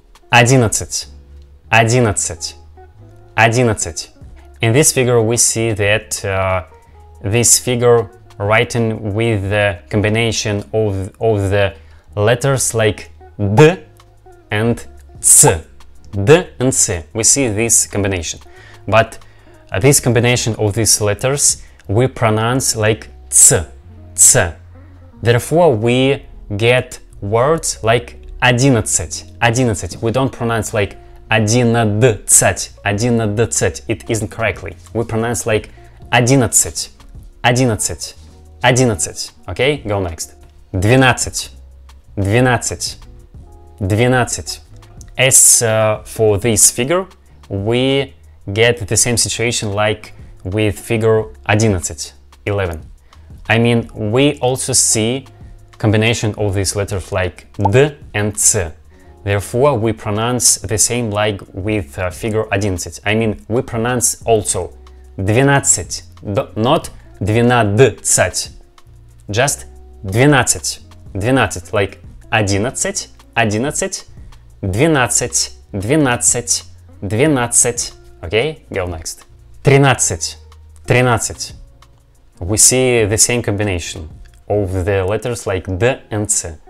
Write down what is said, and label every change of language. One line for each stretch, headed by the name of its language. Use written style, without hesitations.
Russian: Одиннадцать, одиннадцать, одиннадцать.
English: In this figure we see that this figure writing with the combination of the letters like Д and Ц, Д and Ц. We see this combination, but this combination of these letters we pronounce like ц, ц. Therefore we get words like
Russian: одиннадцать, одиннадцать.
English: We don't pronounce like
Russian: одиннадцать, одиннадцать.
English: It isn't correctly. We pronounce like
Russian: одиннадцать, одиннадцать, одиннадцать.
English: Okay, go next.
Russian: Двенадцать, двенадцать, двенадцать.
English: As for this figure, we get the same situation like with figure 11, 11. I mean, we also see combination of these letters like D and C. Therefore, we pronounce the same like with figure 11. I mean, we pronounce also 12, not 12, just 12, 12, like 11, 11, 12, 12, 12. Okay, go next.
Russian: Тринадцать, тринадцать.
English: We see the same combination of the letters like D and C.